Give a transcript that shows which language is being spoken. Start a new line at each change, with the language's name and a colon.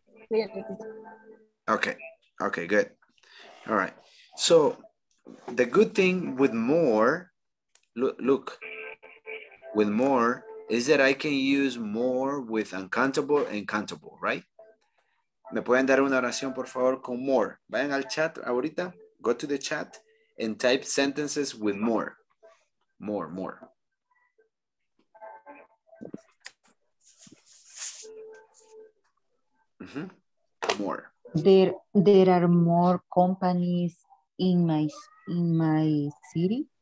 English: Yeah. Okay, good. All right. So the good thing with more, look, with more is that I can use more with uncountable and countable, right?
Spanish: ¿Me pueden dar una oración, por favor, con more? Vayan al chat ahorita,
English: go to the chat and type sentences with more. More. Mm-hmm. More. There are more companies in my city.